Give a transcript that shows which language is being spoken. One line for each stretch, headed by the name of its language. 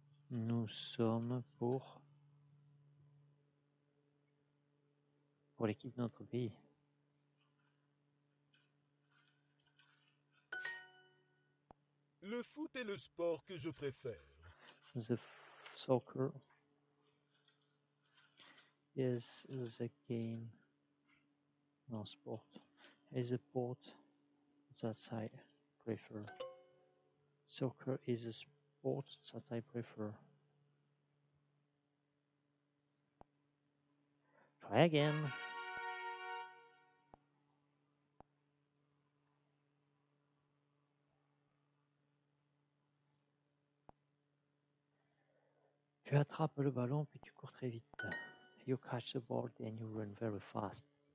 French: Nous sommes pour pour l'équipe de notre pays. Le foot est le sport que je préfère.
English: The soccer is the game, non sport, is the sport that I prefer. Soccer is the sport that I prefer. Try again.
French: Tu attrapes le ballon puis tu cours très vite.
English: You catch the ball and you run very fast.